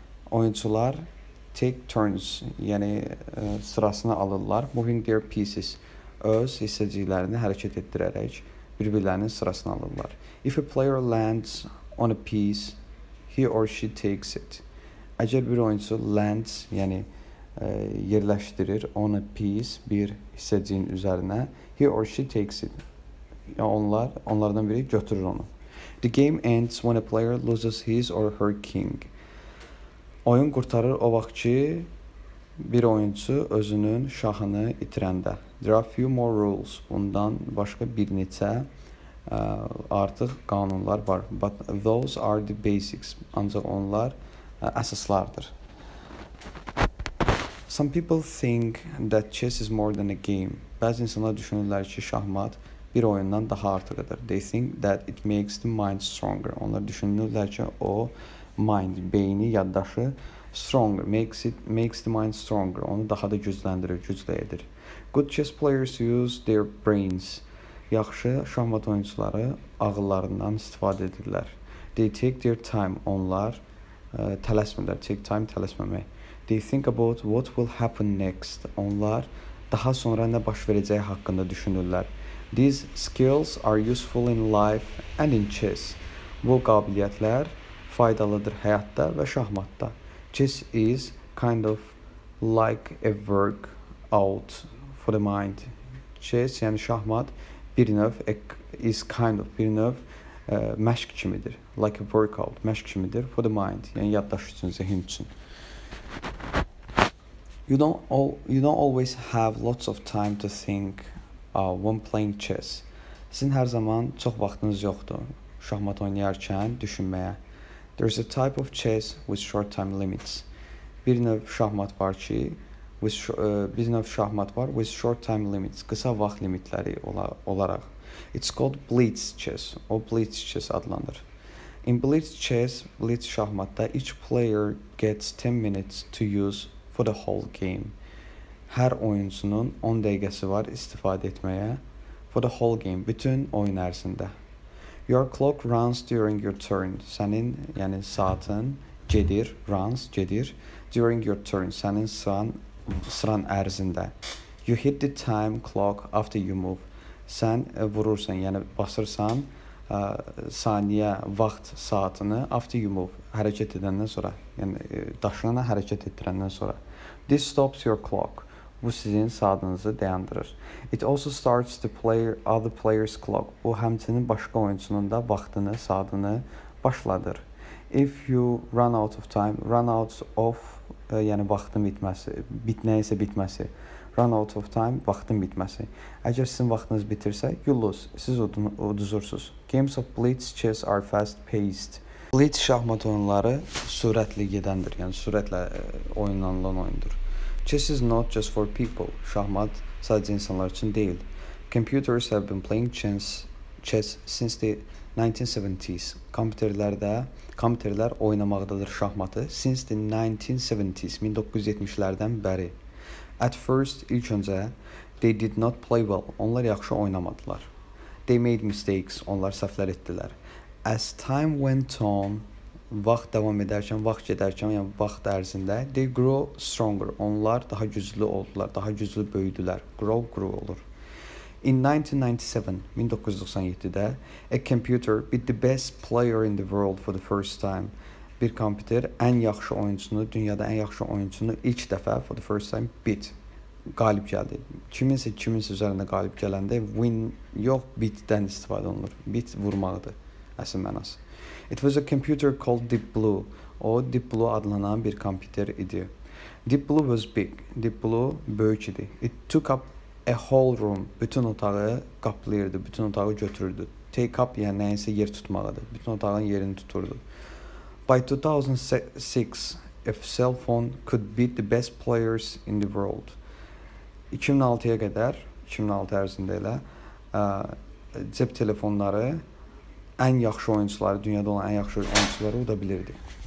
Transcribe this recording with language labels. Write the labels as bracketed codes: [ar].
[az] Oyuncular [en] take turns, [az] yəni sırasını alırlar, [en] moving their pieces, [az] öz hissəciklərini hərəkət etdirərək bir-birlərinin sırasını alırlar. [en] If a player lands on a piece, he or she takes it. [az] Əgər bir oyuncu [en] lands, [az] yəni yerləşdirir [en] on a piece, [az] bir hissəciyin üzərinə, [en] he or she takes it. [az] Onlardan biri götürür onu. [en] The game ends when a player loses his or her king. [az] Oyun qurtarır o vaxt ki, bir oyuncu özünün şahını itirəndə. [en] There are few more rules. [az] Bundan başqa bir neçə artıq qanunlar var. [en] But those are the basics. [az] Ancaq onlar əsaslardır. [en] Some people think that chess is more than a game. [az] Bəzi insanlar düşünürlər ki, şahmat bir oyundan daha artıqdır. [en] They think that it makes the mind stronger. [az] Onlar düşünürlər ki, o mind, beyni, yaddaşı stronger, [en] makes the mind stronger. [az] Onu daha da gücləndirir, gücləyədir. [en] Good chess players use their brains. [az] Yaxşı şahmat oyuncuları ağıllarından istifadə edirlər. [en] They take their time. [az] Onlar tələsmirlər. [en] Take time, [az] tələsməmək. [en] They think about what will happen next. [az] Onlar daha sonra nə baş verəcəyi haqqında düşünürlər. [en] These skills are useful in life and in chess. [az] Bu qabiliyyətlər faydalıdır həyatda və şahmatda. [en] Chess is kind of like a work out for the mind. [az] Chess, yəni şahmat, bir növ məşq kimidir. [en] Like a work out, [az] məşq kimidir [en] for the mind, [az] yəni yaddaş üçün, zəhin üçün. [en] You don't always have lots of time to think when playing chess. [az] Sizin hər zaman çox vaxtınız yoxdur şahmat oynayarkən düşünməyə. [en] There's a type of chess with short time limits. [az] Bir növ şahmat var [en] with short time limits, [az] qısa vaxt limitləri olaraq. [en] It's called blitz chess. [az] O blitz chess adlanır. [en] In blitz chess, [az] blitz şahmatda [en] each player gets 10 minutes to use for the whole game. [az] Hər oyuncunun 10 dəqiqəsi var istifadə etməyə [en] for the whole game, [az] bütün oyun ərzində. [en] Your clock runs during your turn. [az] Sənin, yəni saatın gedir, [en] runs, gedir. During your turn, [az] sənin sıran ərzində. [en] You hit the time clock after you move. [az] Sən vurursan, yəni basırsan saniyə vaxt saatını [en] after you move, [az] hərəkət edəndən sonra, yəni daşınana hərəkət etdirəndən sonra. [en] This stops your clock. [az] Bu sizin saatınızı dayandırır. [en] It also starts the player other player's clock. [az] Bu həmçinin başqa oyuncunun da vaxtını, saatını başladır. [en] If you run out of time, run out of [az] yəni vaxtın bitməsi, bitnəyisə bitməsi. [en] Run out of time, [az] vaxtın bitməsi. Əgər sizin vaxtınız bitirsə, [en] you lose. [az] Siz uduzursunuz. [en] Games of blitz chess are fast paced. [az] Blitz şahmat oyunları sürətli gedəndir. Yəni sürətlə oynanılan oyundur. [en] Chess is not just for people. [az] Şahmat sadəcə insanlar üçün deyil. [en] Computers have been playing chess since the 1970s. [az] Kompüterlər oynamaqdadır şahmatı [en] since the 1970s, [az] 1970-lərdən bəri. [en] At first, [az] ilk öncə, [en] they did not play well. [az] Onlar yaxşı oynamadılar. [en] They made mistakes. [az] Onlar səhvlər etdilər. [en] As time went on, [az] vaxt davam edərkən, vaxt gedərkən, yəni vaxt ərzində, [en] they grew stronger. [az] Onlar daha güclü oldular, daha güclü böyüdülər. [en] Grow [az] olur. [en] In 1997, a computer beat the best player in the world for the first time. [az] Bir kompüter ən yaxşı oyuncunu, dünyada ən yaxşı oyuncunu ilk dəfə, [en] for the first time, beat. [az] Qalib gəldi. Kiminsə üzərində qalib gələndə win yox, beat-dən istifadə olunur. Beat vurmaqdır əsl mənası. [en] It was a computer called Deep Blue. [az] O, Deep Blue adlanan bir kompüter idi. [en] Deep Blue was big. [az] Deep Blue böyük idi. [en] It took up a whole room. [az] Bütün otağı qaplayırdı, bütün otağı götürürdü. Take up, yəni nəyinsə yer tutmaqdır. Bütün otağın yerini tuturdu. By 2006, a cell phone could beat the best players in the world. 2006-ya qədər, 2006 ərzində elə, cep telefonları ən yaxşı oyuncuları, dünyada olan ən yaxşı oyuncuları uda bilirdi.